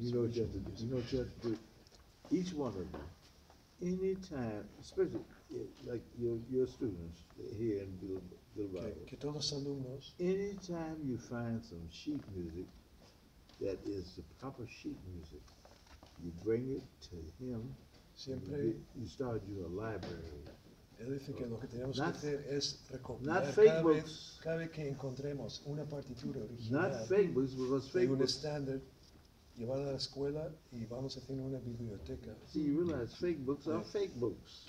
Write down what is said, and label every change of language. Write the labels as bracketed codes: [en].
[en] You know what you have to do. You know what you have to do. Each one of them, anytime, especially like your students here in Bilbao. [es] Que todos alumnos. [en] Anytime you find some sheet music that is the proper sheet music, you bring it to him. [es] Siempre. [en] You start doing a library. [es] Él dice que lo que tenemos que hacer es recopilar cada vez que encontremos una partitura original de un estándar, llevarla a la escuela y vamos a hacer una biblioteca. [en] Sí, you realize fake books are fake books.